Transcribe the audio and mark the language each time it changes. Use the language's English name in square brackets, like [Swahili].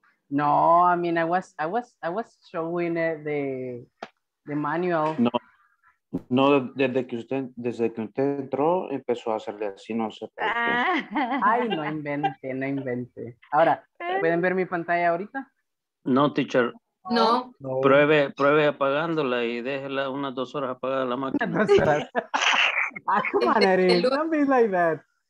[English] No, I mean, I was showing the manual. No. [Spanish] No, desde que usted entró, empezó a hacerle así, no sé. Ay, no invente. Ahora, ¿pueden ver mi pantalla ahorita? [English] No, teacher. No. [Spanish] Pruebe apagándola y déjela unas 2 horas apagada la máquina. [English] Ah, come on, Eric. Don't be like that.